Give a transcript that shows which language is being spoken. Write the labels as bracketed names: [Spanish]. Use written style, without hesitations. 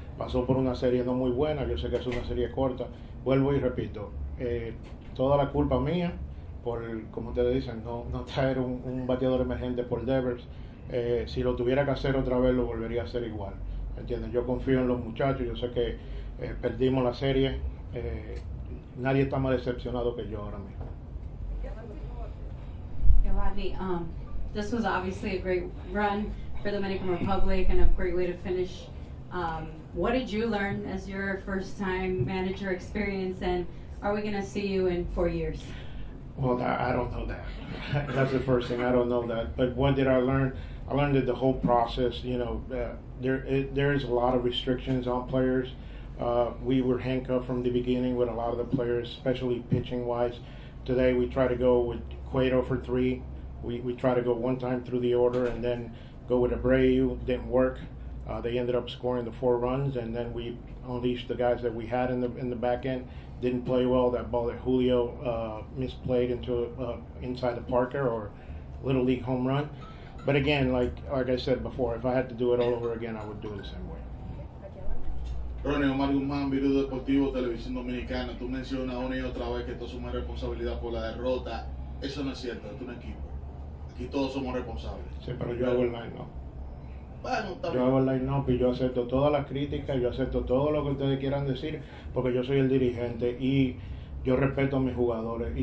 [Spanish] Pasó por una serie no muy buena, yo sé que es una serie corta. Vuelvo y repito, toda la culpa mía por, como ustedes dicen, no traer un bateador emergente por Devers. Si lo tuviera que hacer otra vez, lo volvería a hacer igual. ¿Entiendes? Yo confío en los muchachos, yo sé que perdimos la serie. Nadie está más decepcionado que yo ahora mismo. [English] Rodney, this was obviously a great run for the Dominican Republic and a great way to finish. What did you learn as your first time manager experience, and are we going to see you in 4 years? Well, I don't know that. That's the first thing. I don't know that. But what did I learn? I learned that the whole process, you know, there is a lot of restrictions on players. We were handcuffed from the beginning with a lot of the players, especially pitching wise. Today we try to go with 0-for-3. We try to go one time through the order and then go with Abreu. Didn't work. They ended up scoring the 4 runs, and then we unleashed the guys that we had in the back end. Didn't play well. That ball that Julio misplayed into inside the Parker or Little League home run. But again, like I said before, if I had to do it all over again, I would do it the same way. [Spanish] Ronnie Omar Guzmán, Virus Deportivo, Televisión Dominicana. Tú mencionas una y otra vez que tú asumes responsabilidad por la derrota. Eso no es cierto, es un equipo. Aquí todos somos responsables. Sí, pero yo hago el line, ¿no? Bueno, está yo bien. Hago el line-up y yo acepto todas las críticas, yo acepto todo lo que ustedes quieran decir, porque yo soy el dirigente y yo respeto a mis jugadores.